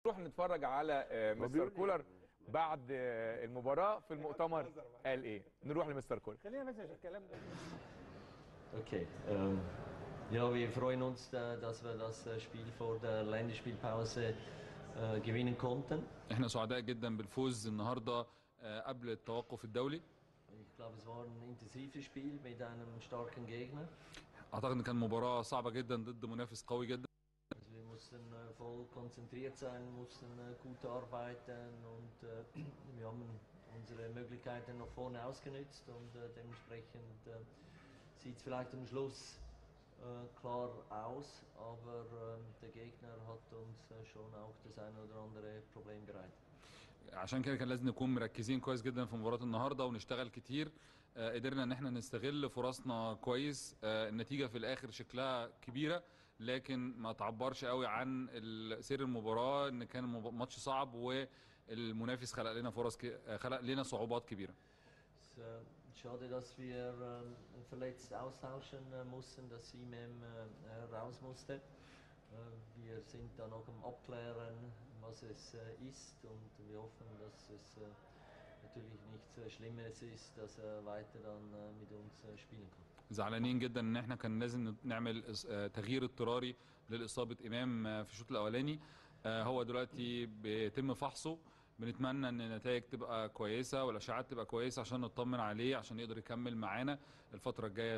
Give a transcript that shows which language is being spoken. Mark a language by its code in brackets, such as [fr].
[ar] نتفرج على مستر كولر بعد المباراة في المؤتمر قال ايه. نروح لمستر كولر. خلينا نسمع الكلام ده. [de] اوكي يا وي فروين اونس داس وير داس سبيل فور ذا لاند سبيل باوس gewinnen konnten. [ar] احنا سعداء جدا بالفوز النهارده قبل التوقف الدولي. [de] Ich glaube, es war ein intensives Spiel mit einem starken Gegner. [ar] اعتقد ان كان مباراة صعبة جدا ضد منافس قوي جدا. [de] Wir mussten voll konzentriert sein, mussten gut arbeiten und wir haben unsere Möglichkeiten nach vorne ausgenutzt und dementsprechend sieht es vielleicht am Schluss klar aus, aber der Gegner hat uns schon auch das eine oder andere Problem bereitet. [ar] عشان كده كان لازم نكون مركزين كويس جدا في مباراه النهارده ونشتغل كتير. قدرنا ان احنا نستغل فرصنا كويس. النتيجه في الاخر شكلها كبيره لكن ما تعبرش قوي عن سير المباراه، ان كان ماتش صعب والمنافس خلق لنا فرص خلق لنا صعوبات كبيره. [de] Schade, dass wir verletzt austauschen mussten, dass Imam raus musste. Wir sind da noch am Abklären, was es ist und wir hoffen, dass es natürlich nichts Schlimmes ist, dass er weiter dann mit uns spielen kann. [ar] زعلانين جدا ان احنا كان لازم نعمل تغيير اضطراري لإصابة إمام في الشوط الأولاني. هو دلوقتي بيتم فحصه، بنتمنى ان النتائج تبقى كويسة والأشعات تبقى كويسة عشان نطمن عليه عشان يقدر يكمل معانا الفترة الجاية.